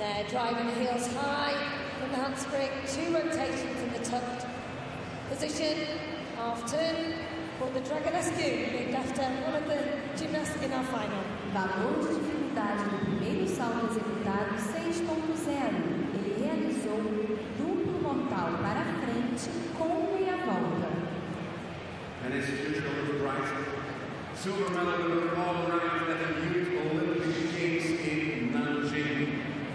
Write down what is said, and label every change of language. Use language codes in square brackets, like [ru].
[en] Driving the heels high from the handspring, two rotations in the tucked position, half turn for the Dragonescu, named after one of the gymnasts in our final. [pt] Valor de dificuldade do primeiro salto executado 6.0. Ele realizou duplo mortal para a frente com meia volta. [en] And as usual with Bryce, silver medal with the ball around at the Youth Olympic Games in Nanjing.